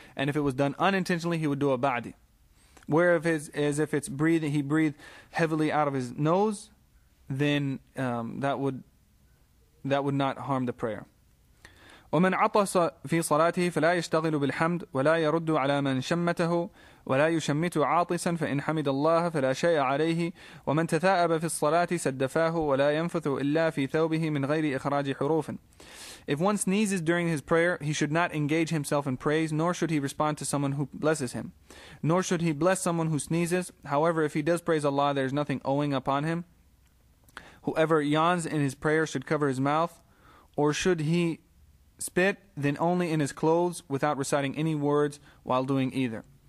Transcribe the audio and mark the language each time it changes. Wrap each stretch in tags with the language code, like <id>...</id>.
<en>And if it was done unintentionally, he would do a ba'di. Where he breathed heavily out of his nose, then that would not harm the prayer.</en> <ar>ومن عطس في صلاته فلا يشتغل بالحمد ولا يرد على من شمته ولا يشمت عاطسا فإن حمد الله فلا شيء عليه ومن تثاءب في الصلاة سدفاه ولا ينفث إلا في ثوبه من غير إخراج حروف.</ar> <en>If one sneezes during his prayer, he should not engage himself in praise, nor should he respond to someone who blesses him, nor should he bless someone who sneezes. However, if he does praise Allah, there is nothing owing upon him. Whoever yawns in his prayer should cover his mouth, or should he spit, then only in his clothes, without reciting any words while doing either.</en>